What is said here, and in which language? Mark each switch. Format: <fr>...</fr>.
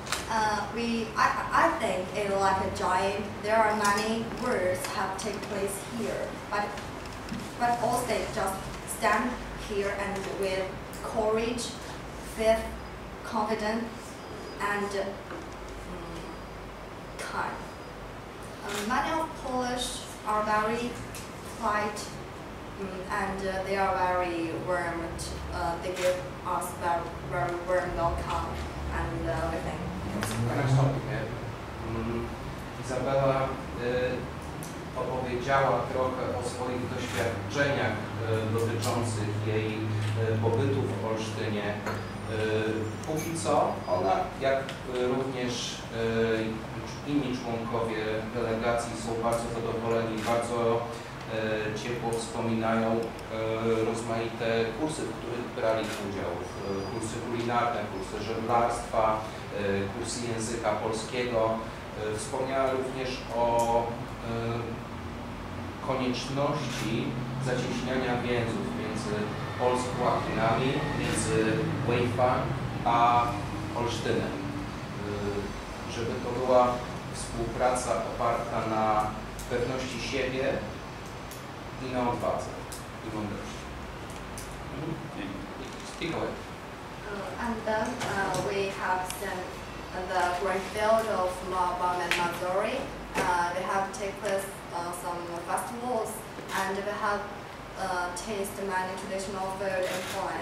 <en>I think it's like a giant. There are many words have taken place here, but all they just stand here and with courage, faith, confidence, and kind. Many of Polish are very polite, and they are very warm. They give us very, very warm welcome, and everything. Can I stop you here?</en> <pl>Izabela opowiedziała trochę o swoich doświadczeniach dotyczących jej pobytu w Olsztynie. Póki co ona, jak również inni członkowie delegacji, są bardzo zadowoleni, bardzo ciepło wspominają rozmaite kursy, w których brali udział. Kursy kulinarne, kursy żeglarstwa, kursy języka polskiego. Wspomniała również o konieczności zacieśniania więzów między Polską a Chinami, między Weifang a Olsztynem. Żeby to była współpraca oparta na pewności siebie i na odwadze i mądrości. Mm-hmm.</pl> <en>Keep going. And then we have some the great field of Mabam and Mazuri. They have take place some festivals, and we have taste many traditional food and food.</en>